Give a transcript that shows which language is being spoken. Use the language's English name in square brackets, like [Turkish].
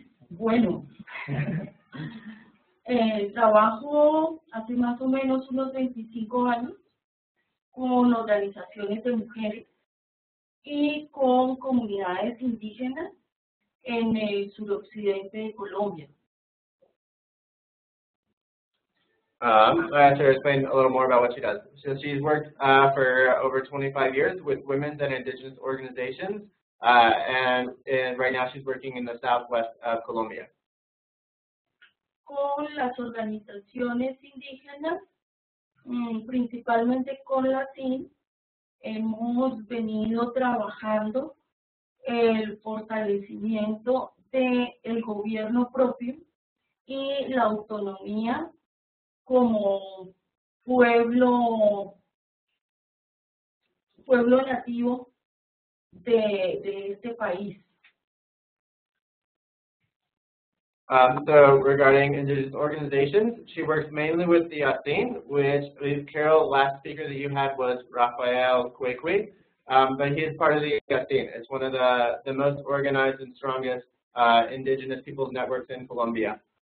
[Spanish] Bueno, trabajo hace más o menos unos 25 años con organizaciones de mujeres y con comunidades indígenas en el suroccidente de Colombia. [English] So I have to explain a little more about what she does. So she's worked for over 25 years with women and indigenous organizations. And right now she's working in the southwest of Colombia. [Spanish] Con las organizaciones indígenas, principalmente con la CIN, hemos venido trabajando el fortalecimiento del gobierno propio y la autonomía como pueblo nativo de este país. [English] So regarding indigenous organizations, she works mainly with the ASIN, which is Carol, last speaker that you had was Rafael Cuecui, but he is part of the ASIN. It's one of the most organized and strongest indigenous people's networks in Colombia.